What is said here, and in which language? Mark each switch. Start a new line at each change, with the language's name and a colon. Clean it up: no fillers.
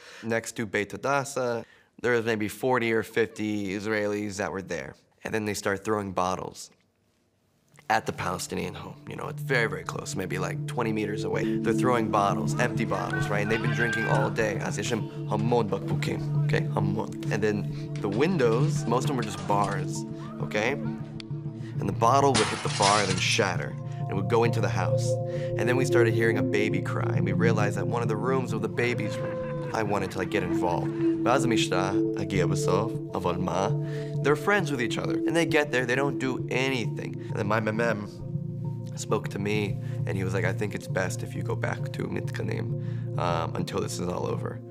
English: Next to בית הדסה, there was maybe 40 or 50 Israelis that were there. And then they start throwing bottles. At the Palestinian home, you know, it's very, very close, maybe like 20 meters away. They're throwing bottles, empty bottles, right? And they've been drinking all day.
Hebrew: אז יש שם המון בקבוקים, okay? המון.
English: And then the windows, most of them were just bars, okay? And the bottle would hit the bar and then shatter, and it would go into the house. And then we started hearing a baby cry, and we realized that one of the rooms was the baby's room. I wanted to, like, get involved.
Hebrew: ואז המשטרה הגיע בסוף, אבל מה?
English: They're friends with each other, and they get there, they don't do anything. And then my mm spoke to me, and he was like, I think it's best if you go back to Mitkanim until this is all over.